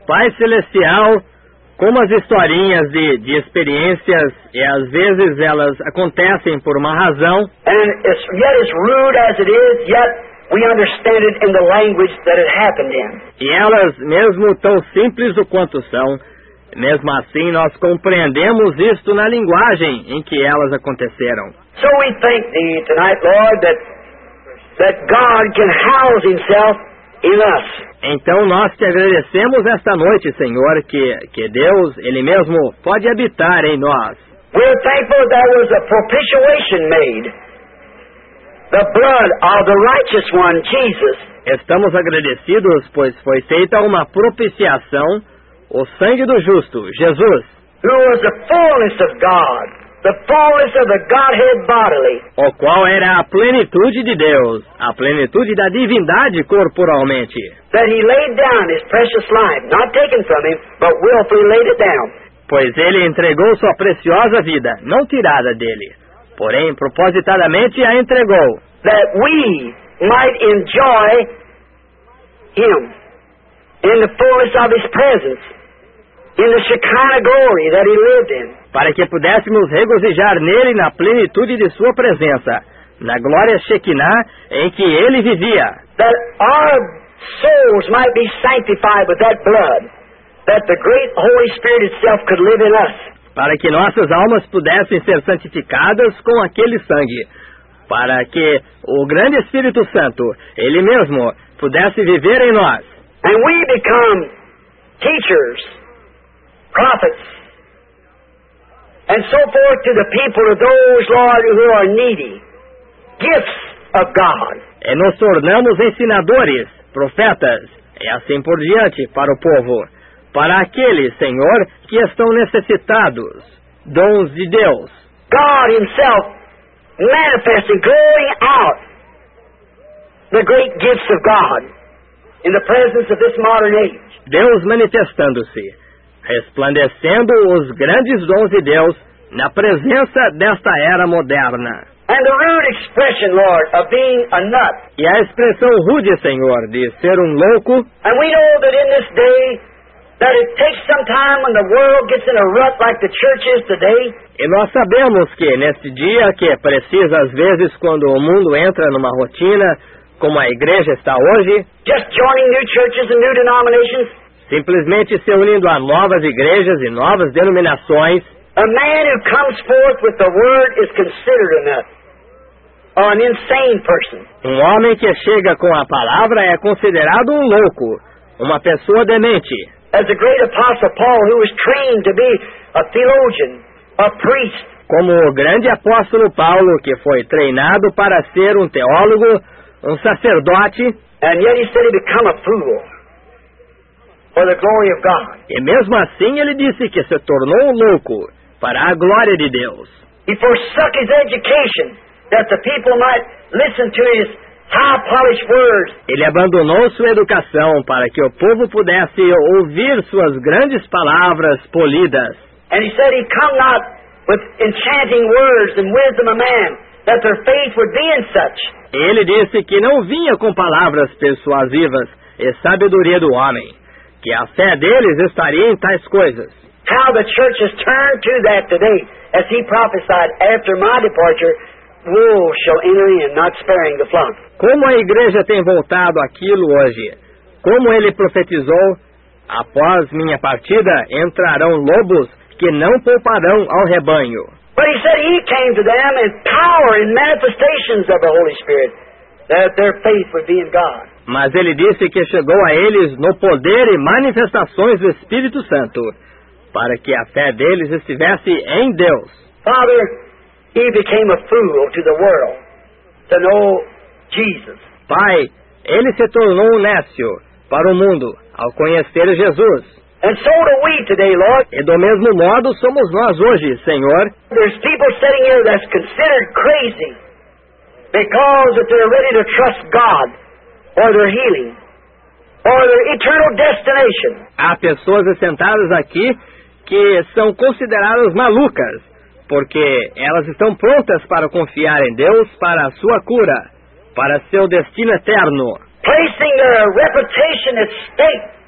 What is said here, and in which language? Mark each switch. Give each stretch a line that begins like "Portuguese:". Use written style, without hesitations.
Portuguese: Pai Celestial, como as historinhas de experiências, e às vezes elas acontecem por uma razão.
English: And it's, yet as rude as it is, yet we understand it in the language that it happened in.
Portuguese: E elas, mesmo tão simples o quanto são, mesmo assim nós compreendemos isto na linguagem em que elas aconteceram.
English: So we thank thee tonight, Lord, that God can house himself in us.
Portuguese: Então nós te agradecemos esta noite, Senhor, que Deus, Ele mesmo, pode habitar em nós.
English: We're thankful there was a propitiation made. The blood of the righteous one, Jesus.
Portuguese: Estamos agradecidos, pois foi feita uma propiciação O sangue do justo, Jesus.
English: Who was the fullness of God, the fullness of the Godhead bodily.
Portuguese: O qual era a plenitude de Deus, a plenitude da divindade corporalmente.
English: That he laid down his precious life, not taken from him, but willfully laid it down.
Portuguese: Pois ele entregou sua preciosa vida, não tirada dele, porém propositadamente a entregou.
English: That we might enjoy him in the fullness of his presence, in the Shekinah glory that he lived in.
Portuguese: Para que pudéssemos regozijar nele na plenitude de sua presença, na glória Shekinah em que ele vivia.
English: That our souls might be sanctified with that blood, that the great Holy Spirit itself could live in us.
Portuguese: Para que nossas almas pudessem ser santificadas com aquele sangue, para que o grande Espírito Santo, ele mesmo, pudesse viver em nós.
English: And we become teachers, prophets, and so forth to the people of those, Lord, who are needy, gifts of God.
Portuguese: E nos tornamos ensinadores, profetas, e assim por diante para o povo, para aqueles, Senhor, que estão necessitados, dons de Deus.
English: God himself manifesting, glorying out the great gifts of God in the presence of this modern age.
Portuguese: Deus manifestando-se, resplandecendo os grandes dons de Deus na presença desta era moderna.
English: And the rude expression, Lord, of being a nut.
Portuguese: E a expressão rude, Senhor, de ser louco.
English: And we know that in this day, that it takes some time when the world gets in a rut like the church is today.
Portuguese: E nós sabemos que neste dia que precisa às vezes quando o mundo entra numa rotina como a igreja está hoje.
English: Just joining new churches and new denominations.
Portuguese: Simplesmente se unindo a novas igrejas e novas denominações.
English: A man who comes forth with the word is considered a nut, or an insane person.
Portuguese: Um homem que chega com a palavra é considerado louco, uma pessoa demente.
English: As the great apostle Paul, who was trained to be a theologian, a priest.
Portuguese: Como o grande apóstolo Paulo, que foi treinado para ser teólogo, sacerdote.
English: And yet he said he'd become a fool for the glory of God.
Portuguese: E mesmo assim ele disse que se tornou louco para a glória de Deus.
English: He forsook his education that the people might listen to his high polished words.
Portuguese: Ele abandonou sua educação para que o povo pudesse ouvir suas grandes palavras polidas.
English: And he said he come not with enchanting words and wisdom of man, that their faith would be in such.
Portuguese: Ele disse que não vinha com palavras persuasivas e sabedoria do homem, que a fé deles estaria em tais coisas.
English: How the church has turned to that today, as he prophesied, after my departure, wolves shall enter in, not sparing the flock.
Portuguese: Como a igreja tem voltado aquilo hoje? Como ele profetizou, após minha partida, entrarão lobos que não pouparão ao rebanho.
English: But he said he came to them in power and manifestations of the Holy Spirit, that their faith would be in God.
Portuguese: Mas ele disse que chegou a eles no poder e manifestações do Espírito Santo, para que a fé deles estivesse em Deus.
English: Father, he became a fool to the world to know Jesus.
Portuguese: Pai, ele se tornou nécio para o mundo ao conhecer Jesus.
English: And so do we today, Lord.
Portuguese: E do mesmo modo somos nós hoje, Senhor.
English: There's people sitting here that's considered crazy because that they're ready to trust God or their healing or their eternal destination.
Portuguese: Há pessoas sentadas aqui que são consideradas malucas porque elas estão prontas para confiar em Deus para a sua cura, para seu destino eterno.
English: Placing their reputation at stake.